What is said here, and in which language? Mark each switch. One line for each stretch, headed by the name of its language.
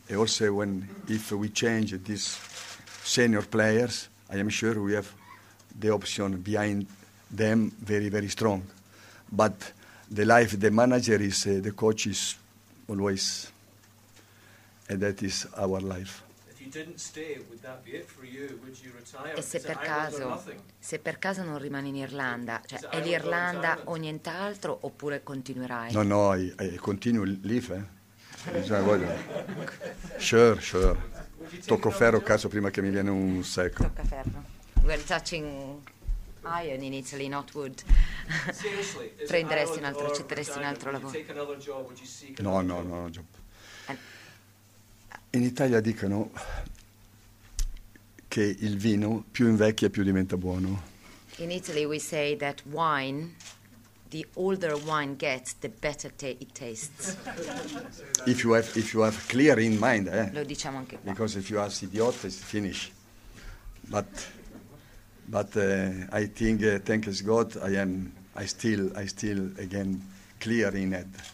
English: E also if we change these senior players, I am sure we have the option behind them very, very strong. But the life, the manager is the coach is always, and that is our life. If you didn't stay, would that be it for you? Would you retire?
Italian: E se per caso, non rimani in Irlanda, cioè è l'Irlanda o nient'altro, oppure continuerai?
English: No, no, I continue live. Sure.
Italian: Tocco ferro, caso prima che mi viene un secco. Tocca ferro.
English: We're touching iron in Italy, not wood.
Italian: Prenderesti un altro, accetteresti un altro lavoro?
English: No.
Italian: In Italia dicono che il vino più invecchia più diventa buono.
English: In Italy we say that wine, the older wine gets, the better it tastes. If you have clear in mind,
Italian: Lo diciamo anche qua.
English: Because if you ask idiot, it's finished. But I think, thanks God, I still again clear in it.